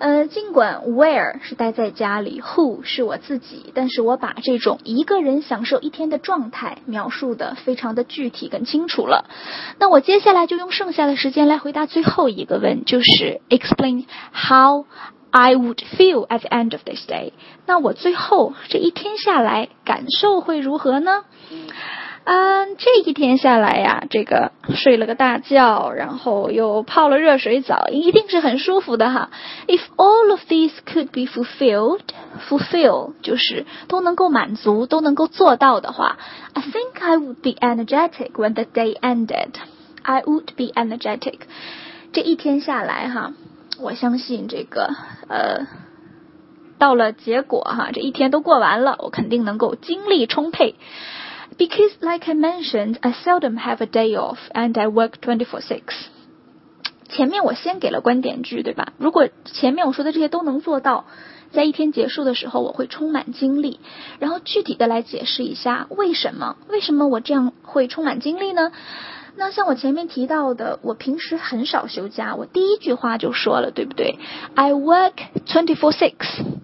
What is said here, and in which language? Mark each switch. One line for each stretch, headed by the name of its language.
Chinese: 尽管 where 是待在家里 ，who 是我自己，但是我把这种一个人享受一天的状态描述的非常的具体跟清楚了。那我接下来就用剩下的时间来回答最后一个问，就是
English: explain how I would feel at the end of this day。
Chinese: 那我最后这一天下来感受会如何呢？这一天下来呀，这个睡了个大觉，然后又泡了热水澡，一定是很舒服的哈。
English: If all of these could be fulfilled
Chinese: 就是都能够满足，都能够做到的话
English: ，I think I would be energetic when the day ended. I would be energetic.
Chinese: 这一天下来哈，我相信这个到了结果哈，这一天都过完了，我肯定能够精力充沛。
English: Because, like I mentioned, I seldom have a day off, and I work 24/6.
Chinese: 前面我先给了观点句，对吧？如果前面我说的这些都能做到，在一天结束的时候，我会充满精力。然后具体的来解释一下，为什么我这样会充满精力呢？那像我前面提到的，我平时很少休假，我第一句话就说了，对不对 ？I work 24/6。